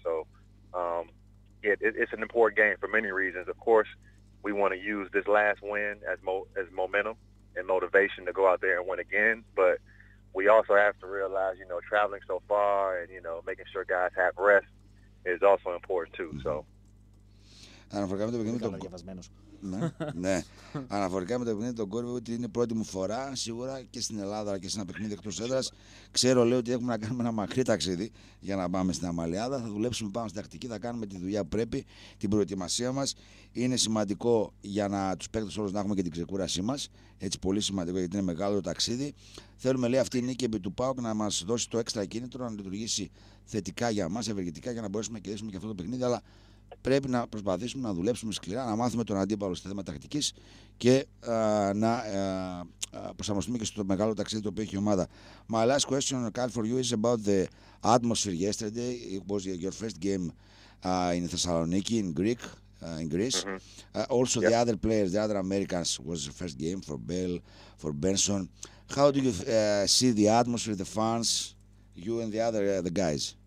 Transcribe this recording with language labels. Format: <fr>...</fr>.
<en>So it's an important game for many reasons. Of course, we want to use this last win as momentum and motivation to go out there and win again. But we also have to realize, you know, traveling so far and, you know, making sure guys have rest is also important too. So.</en> <el>Αναφορικά με το παιχνίδι τον ναι. Αναφορικά με το παιχνίδι τον Κόρβο, ότι είναι η πρώτη μου φορά σίγουρα και στην Ελλάδα και σε ένα παιχνίδι εκτός έδρας. Ξέρω, λέω, ότι έχουμε να κάνουμε ένα μακρύ ταξίδι για να πάμε στην Αμαλιάδα. Θα δουλέψουμε πάνω στην τακτική, θα κάνουμε τη δουλειά που πρέπει, την προετοιμασία μας. Είναι σημαντικό για να τους παίκτες όλους να έχουμε και την ξεκούρασή μας. Έτσι, πολύ σημαντικό γιατί είναι μεγάλο το ταξίδι. Θέλουμε, λέει, αυτή η νίκη επί του ΠΑΟΚ να μας δώσει το έξτρα κίνητρο να λειτουργήσει θετικά για μας, ευεργετικά για να μπορέσουμε να κερδίσουμε και αυτό το παιχνίδι. Αλλά πρέπει να προσπαθήσουμε να δουλέψουμε σκληρά, να μάθουμε τον αντίπαλο στο θέμα τακτικής και να προσαρμοστούμε και στο μεγάλο ταξίδι το οποίο έχει η ομάδα.</el> <en>My last question, Kyle, for you is about the atmosphere yesterday. It was your first game in Thessaloniki, in Greece. Mm-hmm. Also, yep. The other players, the other Americans, was the first game for Bell, for Benson. How do you see the atmosphere, the fans, you and the other the guys?</en>